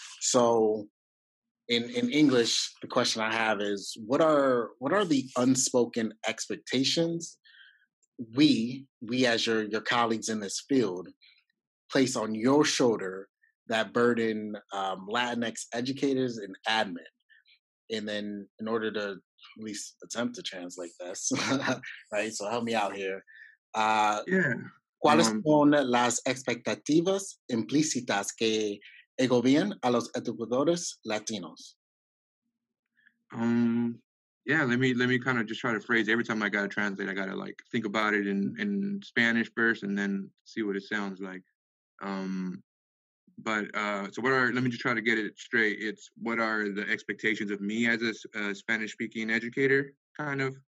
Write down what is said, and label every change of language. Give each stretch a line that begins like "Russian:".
English: So in English, the question I have is, what are the unspoken expectations we as your colleagues in this field place on your shoulder that burden Latinx educators and admin? And then in order to at least attempt to translate this, right? So help me out here.
Spanish: ¿Cuáles son las expectativas implícitas que agobian a los educadores latinos?
English: Let me kind of just try to phrase it. Every time I got to translate, I got to like think about it in Spanish first and then see what it sounds like. Let me just try to get it straight. It's what are the expectations of me as a Spanish speaking educator, kind of?